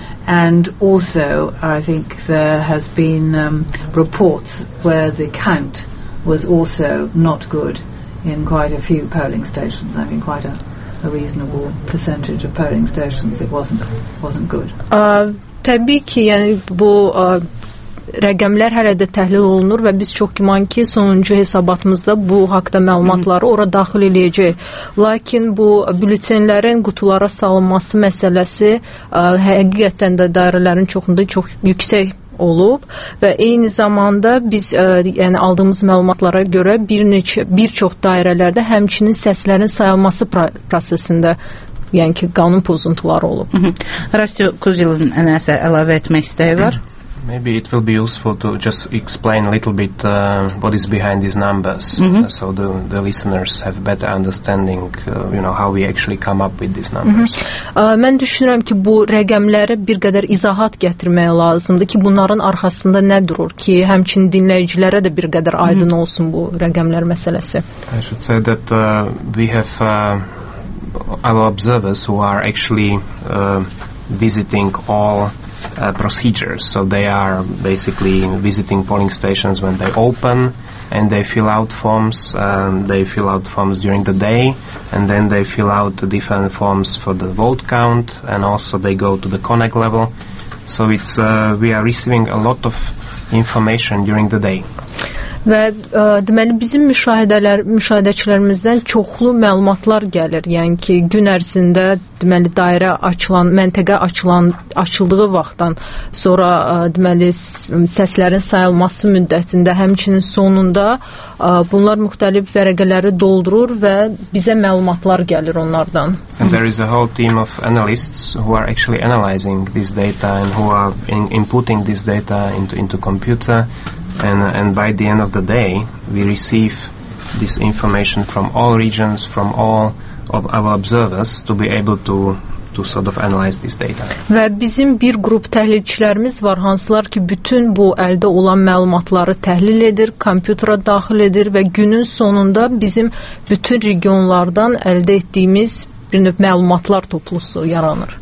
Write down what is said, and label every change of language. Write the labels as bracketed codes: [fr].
[en] And also, I think there has been reports where the count was also not good in quite a few polling stations. I mean, quite a reasonable percentage of polling stations, it wasn't good. [az] Təbii ki, yəni bu... Rəqəmlər hələ də təhlil olunur və biz çox güman ki, sonuncu hesabatımızda bu haqda məlumatları ora daxil eləyəcək. Lakin bu bülütenlərin qutulara salınması məsələsi həqiqətən də dairələrin çoxunda çox yüksək olub və eyni zamanda biz yəni aldığımız məlumatlara görə bir çox dairələrdə həmçinin səslərin sayılması prosesində yəni ki, qanun pozuntuları olub. Rastio Kuzilin nəsə əlavə etmək istəyi var? [en] Maybe it will be useful to just explain a little bit what is behind these numbers, so the listeners have better understanding, you know, how we actually come up with these numbers. [az] Mən düşünürəm ki, bu rəqəmlərə bir qədər izahat gətirmək lazımdır ki, bunların arxasında nə durur ki, həmçinin dinləyicilərə də bir qədər aydın olsun bu rəqəmlər məsələsi. [en] I should say that we have our observers who are actually visiting all procedures, so they are basically visiting polling stations when they open, and they fill out forms. They fill out forms during the day, and then they fill out the different forms for the vote count, and also they go to the connect level. So it's we are receiving a lot of information during the day. [az] Və deməli, bizim müşahidəçilərimizdən çoxlu məlumatlar gəlir. Yəni ki, gün ərzində deməli, dairə açılan, məntəqə açıldığı vaxtdan sonra deməli, səslərin sayılması müddətində, həmçinin sonunda bunlar müxtəlif vərəqələri doldurur və bizə məlumatlar gəlir onlardan. [en] And there is a whole team of analysts who are actually analyzing this data and who are inputting this data into computer. And by the end of the day, we receive this information from all regions, from all of our observers to be able to sort of analyze this data. [az] Və bizim bir qrup təhlilçilərimiz var, hansılar ki, bütün bu əldə olan məlumatları təhlil edir, kompüterə daxil edir və günün sonunda bizim bütün regionlardan əldə etdiyimiz bir növ məlumatlar toplusu yaranır.